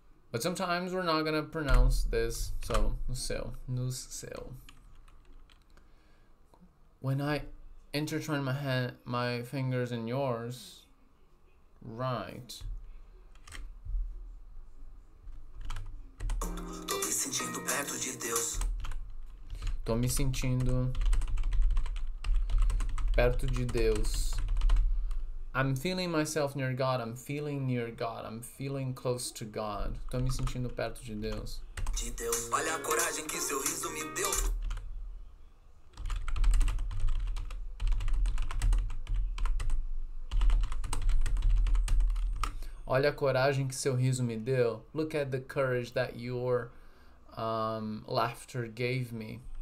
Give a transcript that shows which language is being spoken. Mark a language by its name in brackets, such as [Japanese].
[English] But sometimes we're not gonna pronounce this, so [Portuguese] no seu. [English] When I intertwine my hand, my fingers in yours, right? [Portuguese] Tô me sentindo perto de Deus. Tô me sentindo perto de Deus. [English] I'm feeling myself near God. I'm feeling near God. I'm feeling close to God. [Portuguese] Tô me sentindo perto de Deus. De Deus. Olha a coragem que seu riso me deu. Olha a coragem que seu riso me deu. [English] Look at the courage that your laughter gave me.